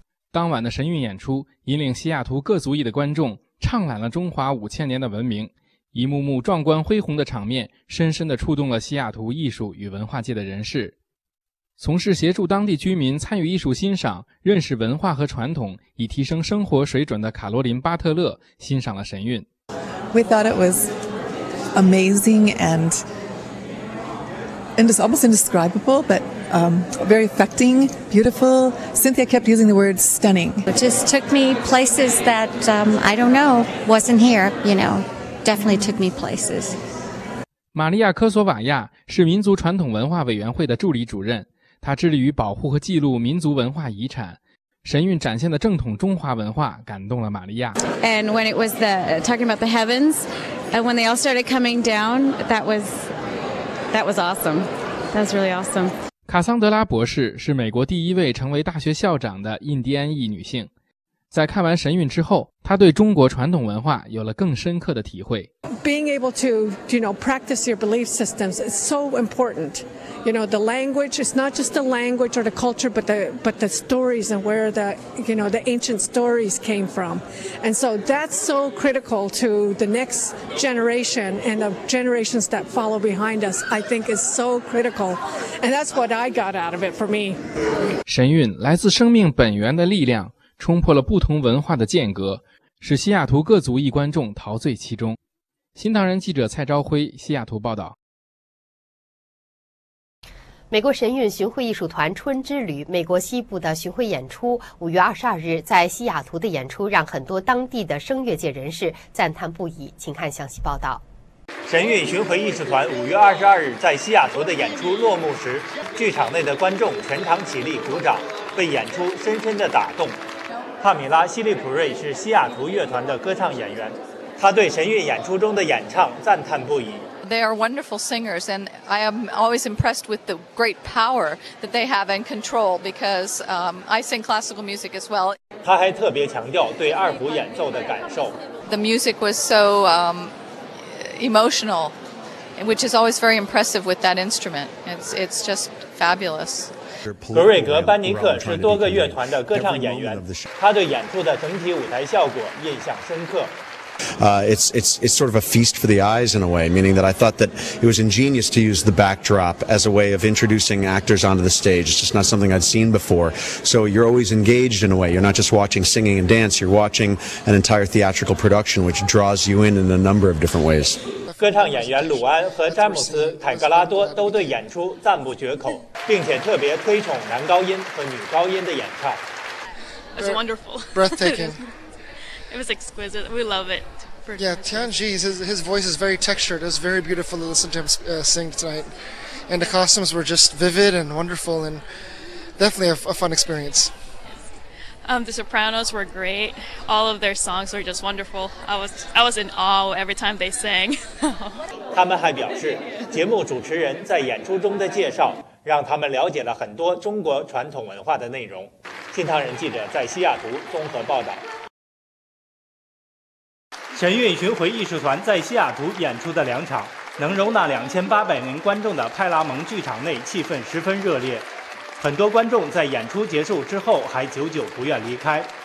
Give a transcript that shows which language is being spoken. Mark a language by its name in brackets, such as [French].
[Chinese] 当晚的神韵演出引领西雅图各族裔的观众畅览了中华5000年的文明，一幕幕壮观恢宏的场面深深地触动了西雅图艺术与文化界的人士。从事协助当地居民参与艺术欣赏、认识文化和传统以提升生活水准的卡罗琳·巴特勒欣赏了神韵。 [English] We thought it was amazing and it's almost indescribable, butvery affecting, beautiful. Cynthia kept using the word stunning. It just took me places that, I don't know, wasn't here, you know, definitely took me places. [Chinese] 玛利亚·科索瓦亚是民族传统文化委员会的助理主任，她致力于保护和记录民族文化遗产。神韵展现的正统中华文化感动了玛利亚。 [English] And when it was talking about the heavens, and when they all started coming down, that was awesome. That was really awesome. [Chinese] 卡桑德拉博士是美国第一位成为大学校长的印第安裔女性。在看完神韵之后，她对中国传统文化有了更深刻的体会。 [English] Being able to, you know, practice your belief systems is so important. You know, the language is not just the language or the culture, but the stories and where the, you know, the ancient stories came from. And so that's so critical to the next generation and the generations that follow behind us, I think is so critical. And that's what I got out of it for me. [Chinese] 神韵来自生命本源的力量，冲破了不同文化的间隔，使西雅图各族裔观众陶醉其中。新唐人记者蔡朝辉，西雅图报道。美国神韵巡回艺术团春之旅美国西部的巡回演出，5月22日在西雅图的演出让很多当地的声乐界人士赞叹不已，请看详细报道。神韵巡回艺术团5月22日在西雅图的演出落幕时，剧场内的观众全场起立鼓掌，被演出深深的打动。帕米拉·西利普瑞是西雅图乐团的歌唱演员，他对神韵演出中的演唱赞叹不已。 [English] They are wonderful singers, and I am always impressed with the great power that they have and control, because I sing classical music as well. [Chinese] 他还特别强调对二胡演奏的感受。 [English] The music was so emotional, which is always very impressive with that instrument. It's just fabulous. [Chinese] 格瑞格·班尼克是多个乐团的歌唱演员，他对演出的整体舞台效果印象深刻。 [English] It's sort of a feast for the eyes in a way, meaning that I thought that it was ingenious to use the backdrop as a way of introducing actors onto the stage. It's just not something I'd seen before. So you're always engaged in a way. You're not just watching singing and dance. You're watching an entire theatrical production, which draws you in a number of different ways. [Chinese] 歌唱演员鲁安和詹姆斯·凯格拉多都对演出赞不绝口，并且特别推崇男高音和女高音的演唱。 [English] It's wonderful. Breathtaking. It was exquisite. We love it. Yeah, Tianji, his voice is very textured. It was very beautiful to listen to him sing tonight. And the costumes were just vivid and wonderful and definitely a fun experience. The sopranos were great. All of their songs were just wonderful. I was in awe every time they sang. [Chinese] 他们还表示，节目主持人在演出中的介绍让他们了解了很多中国传统文化的内容。新唐人记者在西雅图综合报道。神韵巡回艺术团在西雅图演出的两场，能容纳2800名观众的派拉蒙剧场内气氛十分热烈，很多观众在演出结束之后还久久不愿离开。